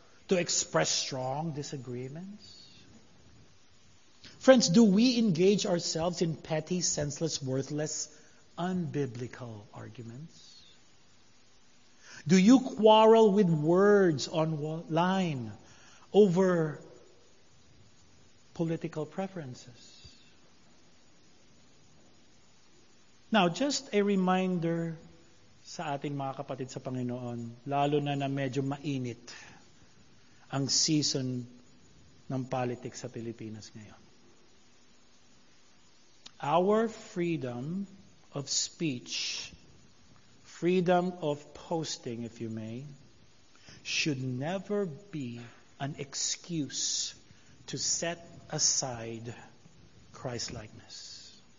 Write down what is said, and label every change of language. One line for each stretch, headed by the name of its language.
English: To express strong disagreements? Friends, do we engage ourselves in petty, senseless, worthless, unbiblical arguments? Do you quarrel with words online over political preferences? Now, just a reminder
Filipino: sa ating mga kapatid sa Panginoon, lalo na na medyo mainit ang season ng politics sa Pilipinas ngayon.
English: Our freedom of speech, freedom of posting, if you may, should never be an excuse to set aside Christlikeness.